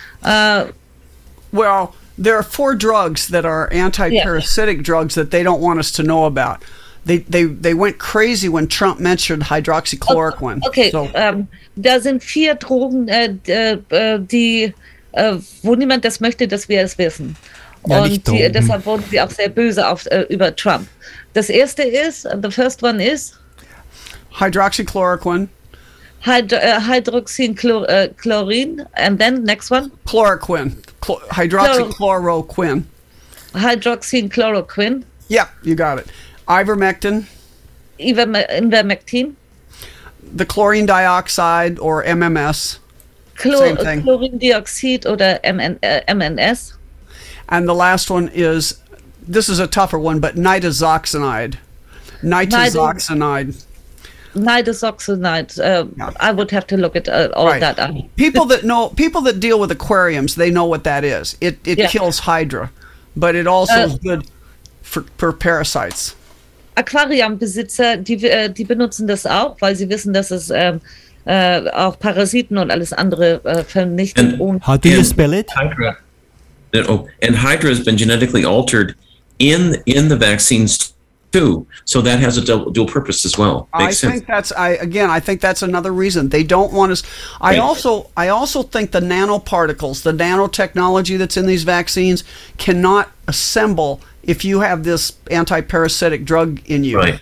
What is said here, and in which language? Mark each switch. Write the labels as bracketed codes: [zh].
[en] Well, there are four drugs that are anti-parasitic drugs that they don't want us to know about. They went crazy when Trump mentioned hydroxychloroquine. Okay, so. [de] Da sind vier Drogen, wo niemand das möchte, dass wir es wissen. Ja, und deshalb wurden sie auch sehr böse über Trump. Das erste ist, [en] the first one is? Hydroxychloroquine. Hydroxychloroquine. And then next one? Chloroquine. Hydroxychloroquine. Hydroxychloroquine. Yeah, you got it. Ivermectin. Ivermectin. The chlorine dioxide or MMS. Same thing. Chlorine dioxide or MNS. And the last one is, this is a tougher one, but nitazoxanide. I would have to look at all right. That. People that deal with aquariums, they know what that is. It kills hydra, but it also is good for parasites. [de] Aquariumbesitzer, die benutzen das auch, weil sie wissen, dass es auch Parasiten und alles andere vernichtet. [en] How do you spell it? Hydra. And hydra has been genetically altered in the vaccines too, so that has a dual purpose as well. I think that's another reason they don't want us. I also think the nanoparticles, the nanotechnology that's in these vaccines, cannot assemble if you have this anti-parasitic drug in you.